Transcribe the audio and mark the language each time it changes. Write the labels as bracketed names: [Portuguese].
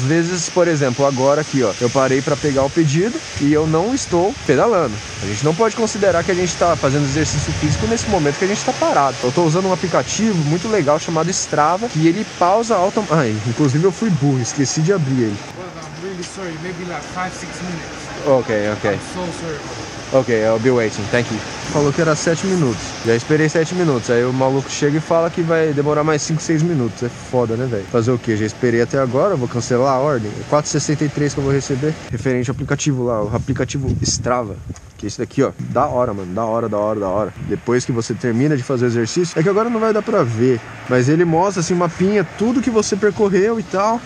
[Portuguese] Às vezes, por exemplo, agora aqui, ó, eu parei para pegar o pedido e eu não estou pedalando. A gente não pode considerar que a gente está fazendo exercício físico nesse momento que a gente está parado. Eu estou usando um aplicativo muito legal chamado Strava, que ele pausa automaticamente. Ah, inclusive eu fui burro, esqueci de abrir ele. [English] Well, I'm really sorry, maybe like 5-6 minutes. Okay, okay. I'm so sorry. Ok, I'll be waiting, thank you. [Portuguese] Falou que era 7 minutos, já esperei 7 minutos. Aí o maluco chega e fala que vai demorar mais 5, 6 minutos. É foda, né, velho? Fazer o quê? Já esperei até agora, vou cancelar a ordem. 4,63 que eu vou receber. Referente ao aplicativo lá, o aplicativo Strava. Que é esse daqui, ó. Da hora, mano, da hora. Depois que você termina de fazer o exercício. É que agora não vai dar pra ver, mas ele mostra, assim, mapinha tudo que você percorreu e tal.